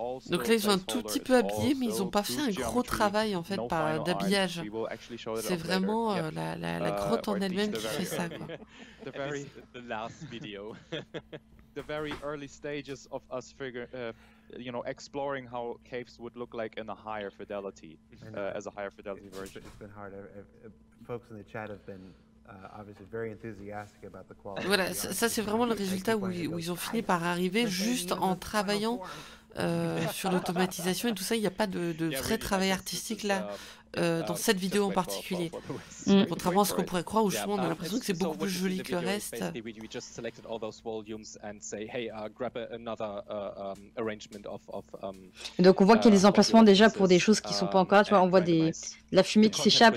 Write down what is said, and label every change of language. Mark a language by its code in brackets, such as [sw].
[fr] Donc là, ils sont un tout petit peu habillés, mais ils n'ont pas fait un gros travail en fait, d'habillage. C'est vraiment la grotte en elle-même qui fait ça. Quoi. [en] The very last video. The very early stages of us you know, exploring how caves would look like in a higher fidelity, as a higher fidelity version. It's been hard. Folks in the chat have been obviously very enthusiastic about the quality. [fr] Voilà, ça c'est vraiment le résultat où ils ont fini par arriver juste en travaillant sur l'automatisation et tout ça. Il n'y a pas de vrai travail artistique là. Dans cette vidéo en particulier, contrairement à ce qu'on pourrait croire, où justement on a l'impression que c'est beaucoup plus joli que le reste. [en] We just selected all those volumes and say, hey, grab another arrangement of. [fr] Donc on voit qu'il y a des emplacements déjà pour des choses qui sont pas encore. Tu vois, on voit des la fumée qui s'échappe.